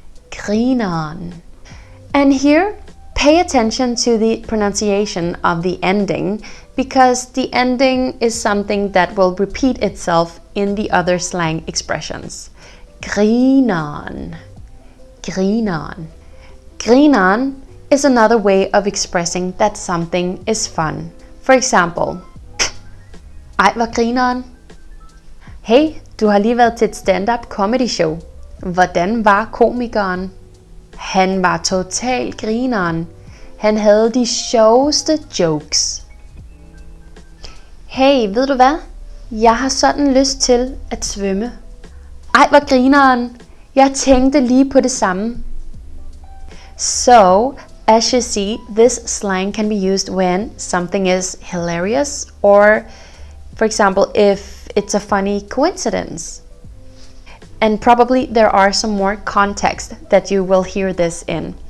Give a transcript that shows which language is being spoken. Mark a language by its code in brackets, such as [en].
[en] Grineren. And here, pay attention to the pronunciation of the ending, because the ending is something that will repeat itself in the other slang expressions. [da] Grineren. Grineren. [en] Grineren is another way of expressing that something is fun. For example, [da] ej, hvor grineren. Hey, du har lige været til et stand-up comedy show. Hvordan var komikeren? Han var total grineren. Han havde de sjoveste jokes. Hey, ved du hvad? Jeg har sådan lyst til at svømme. Ej, hvor grineren. Jeg tænkte lige på det samme. [en] So, as you see, this slang can be used when something is hilarious or, for example, if it's a funny coincidence. And probably there are some more context that you will hear this in.